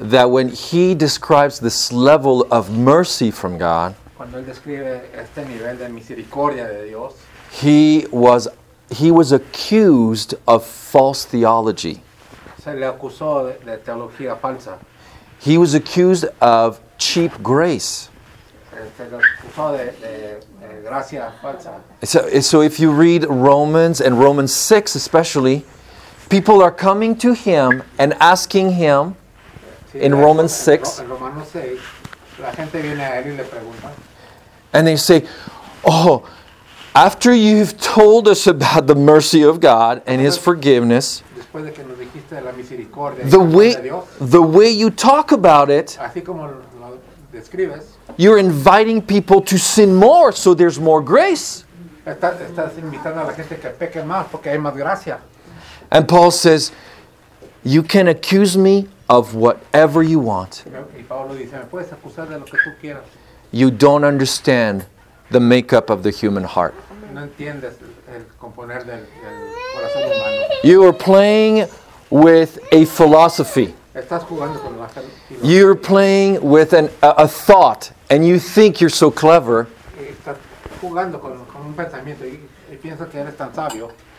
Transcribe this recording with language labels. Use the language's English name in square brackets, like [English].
[English] That when he describes this level of mercy from God, [Spanish] cuando él describe este nivel de misericordia de Dios, [English] he was accused of false theology. [Spanish] Se le acusó de teología falsa. [English] He was accused of cheap grace. [Spanish] Se le acusó de gracia falsa. [English] So if you read Romans and Romans 6 especially, people are coming to him and asking him in Romans 6. [Spanish] En Romanos 6, la gente viene a él y le pregunta. [English] And they say, oh, after you've told us about the mercy of God and his forgiveness, [Spanish] después de que nos dijiste la misericordia, [English] the way you talk about it, [Spanish] así como lo describes, [English] you're inviting people to sin more, so there's more grace. [Spanish] Estás invitando a la gente que peque más porque hay más gracia. [English] And Paul says, you can accuse me of whatever you want. [Spanish] Y Pablo dice, me puedes acusar de lo que tú quieras. [English] You don't understand the makeup of the human heart. [Spanish] No entiendes el componer del corazón humano. [English] You are playing with a philosophy. [Spanish] Estás jugando con la filosofía. [English] You're playing with a thought, and you think you're so clever. [Spanish] Estás jugando con un pensamiento y piensas que eres tan sabio.